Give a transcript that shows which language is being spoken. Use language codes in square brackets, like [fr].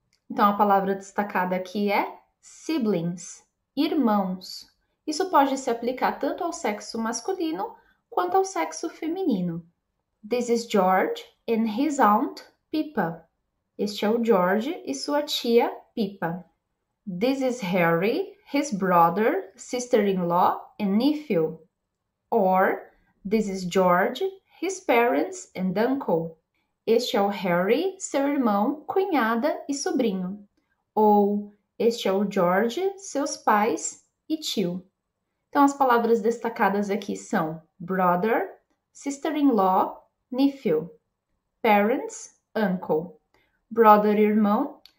[pt] Então, a palavra destacada aqui é siblings, irmãos. Isso pode se aplicar tanto ao sexo masculino quanto ao sexo feminino. [en] This is George and his aunt Pippa. [pt] Este é o George e sua tia Pippa. [en] This is Harry, his brother, sister-in-law, and nephew. Or, this is George, his parents and uncle. [pt] Este é o Harry, seu irmão, cunhada e sobrinho. Ou, este é o George, seus pais e tio. Então, as palavras destacadas aqui são brother, sister-in-law, nephew. Parents, uncle. Brother, irmão.